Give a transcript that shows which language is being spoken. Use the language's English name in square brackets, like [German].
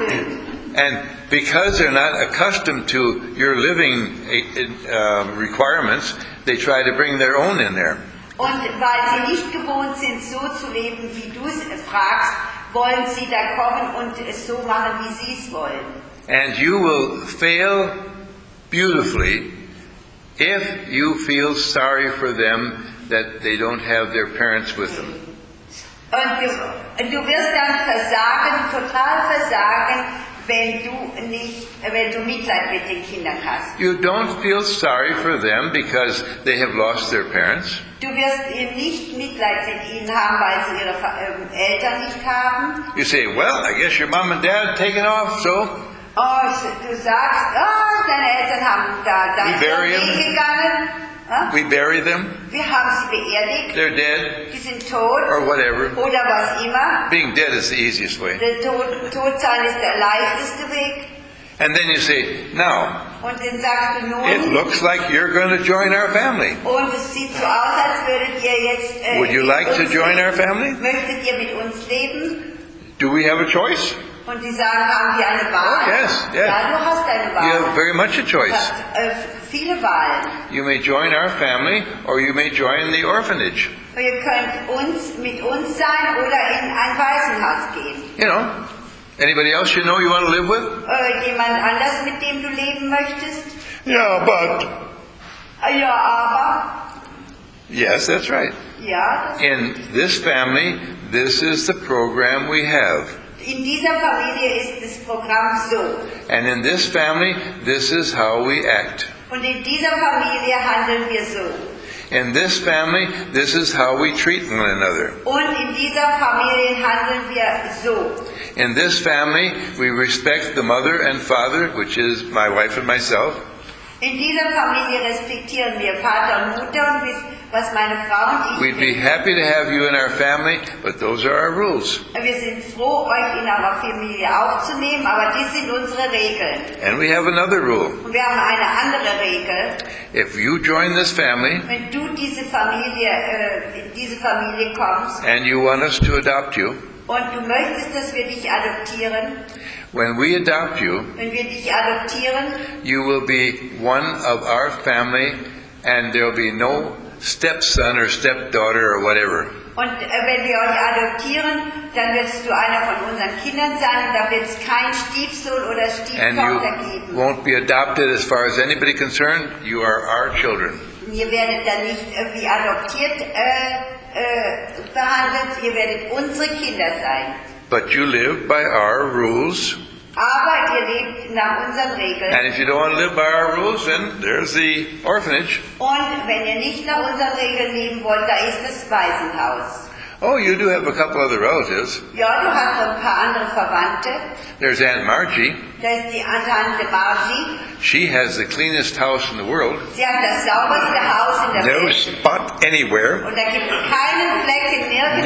[English] And because they're not accustomed to your living requirements, they try to bring their own in there. [German] Und weil sie nicht gewohnt sind, so zu leben, wie du es fragst, wollen sie da kommen und es so machen, wie sie es wollen. [English] And you will fail beautifully if you feel sorry for them that they don't have their parents with them. [German] Und du wirst dann versagen, total versagen, wenn du Mitleid mit den Kindern hast. [English] You don't feel sorry for them because they have lost their parents. [German] Du wirst eben nicht Mitleid mit ihnen haben, weil sie ihre Eltern nicht haben. [English] You say, well, I guess your mom and dad taken off, so. [German] Oh, du sagst, deine Eltern haben da weggegangen. Huh? [English] We bury them. [German] Wir haben sie beerdigt. [English] They're dead. [German] Die sind tot. [English] Or whatever. [German] Oder was immer. [English] Being dead is the easiest way. [German] Der Tod sein ist der leichteste Weg. [English] And then you say, now, [German] und dann sagst du nun, [English] it looks like you're going to join our family. [German] Und es sieht so aus, als würdet ihr jetzt, [English] would you like to join our family? [German] Möchtet ihr mit uns leben? [English] Do we have a choice? [German] Und die sagen, haben wir eine Wahl? [English] Oh, yes, yes. [German] Ja, du hast eine Wahl. [English] You have very much a choice. [German] Viele Wahlen. [English] You may join our family or you may join the orphanage. [German] Ihr könnt uns, mit uns sein oder in ein Waisenhaus gehen. [English] You know, anybody else you know you want to live with? [German] Jemand anders, mit dem du leben möchtest? Ja, [English] but. [German] Ja, aber. [English] Yes, that's right. [German] Ja. [English] In this family, this is the program we have. [German] In dieser Familie ist das Programm so. [English] And in this family, this is how we act. [German] Und in dieser Familie handeln wir so. [English] In this family, this is how we treat one another. [German] Und in dieser Familie handeln wir so. [English] In this family, we respect the mother and father, which is my wife and myself. [German] In dieser Familie respektieren wir Vater und Mutter und was meine Frau und ich. [English] We'd be happy to have you in our family, but those are our rules. [German] Wir sind froh, euch in unserer Familie aufzunehmen, aber dies sind unsere Regeln. [English] And we have another rule. [German] Und wir haben eine andere Regel. [English] If you join this family, [German] wenn du diese Familie, in diese Familie kommst, [English] and you want us to adopt you, [German] und du möchtest, dass wir dich adoptieren, [English] when we adopt you, [German] wenn wir dich adoptieren, [English] you will be one of our family and there will be no stepson or stepdaughter or whatever. [German] Und wenn wir euch adoptieren, dann wirst du einer von unseren Kindern sein und da wird es kein Stiefsohn oder Stieftochter geben. [English] And you won't be adopted as far as anybody concerned. You are our children. [German] Ihr werdet dann nicht irgendwie adoptiert behandelt. Ihr werdet unsere Kinder sein. [English] But you live by our rules. [German] Aber ihr lebt nach unseren Regeln. [English] And if you don't want to live by our rules, then there's the orphanage. [German] Und wenn ihr nicht nach unseren Regeln leben wollt, da ist das Waisenhaus. [English] Oh, you do have a couple other relatives. [German] Ja, du hast ein paar andere Verwandte. [English] There's Aunt Margie. [German] Da ist die Tante Margie. [English] She has the cleanest house in the world. [German] Sie hat das sauberste Haus in der [English] no [German] Welt. [English] No spot anywhere. [German] Und da gibt es keinen Fleck in nirgends.